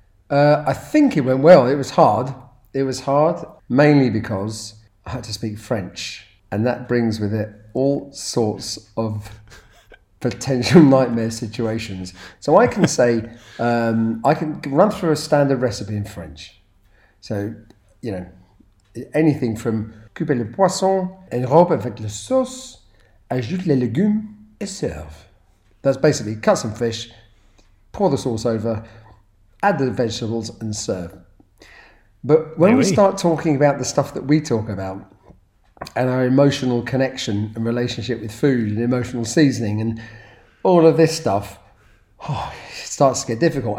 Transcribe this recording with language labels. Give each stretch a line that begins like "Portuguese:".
English: I think it went well. It was hard. It was hard mainly because I had to speak French, and that brings with it all sorts of potential nightmare situations. So I can say, I can run through a standard recipe in French. So, you know, anything from
French: couper le poisson, enrobe avec la sauce, ajoute les légumes, et serve.
English: That's basically cut some fish, pour the sauce over, add the vegetables and serve. But when we start talking about the stuff that we talk about, and our emotional connection and relationship with food and emotional seasoning and all of this stuff, oh, it starts to get difficult.